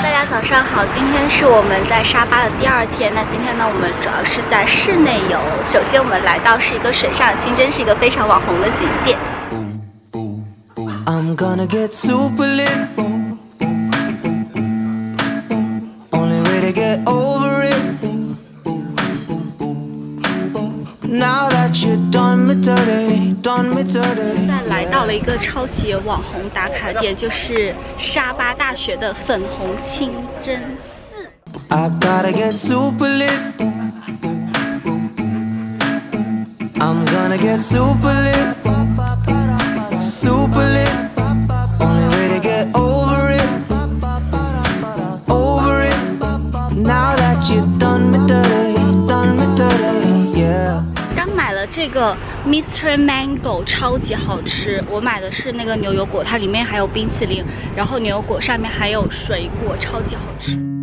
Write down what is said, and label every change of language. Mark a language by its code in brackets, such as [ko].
[zh] 早上好，今天是我们在沙巴的第二天。那今天呢，我们主要是在室内游。首先，我们来到是一个水上的清真，是一个非常网红的景点。 [en] I'm gonna get super lit, only way to get over it. Now that you done me dirty, done me dirty. [zh] 来到了一个超级网红打卡点，就是沙巴大学的粉红清真寺。 [en] I gotta get super lit. I'm gonna get super lit. Super lit. Only way to get over it. Over it. Now that you done me dirty, done me dirty, yeah. [zh] 刚买了这个Mr. Mango 超级好吃，我买的是那个牛油果，它里面还有冰淇淋，然后牛油果上面还有水果，超级好吃。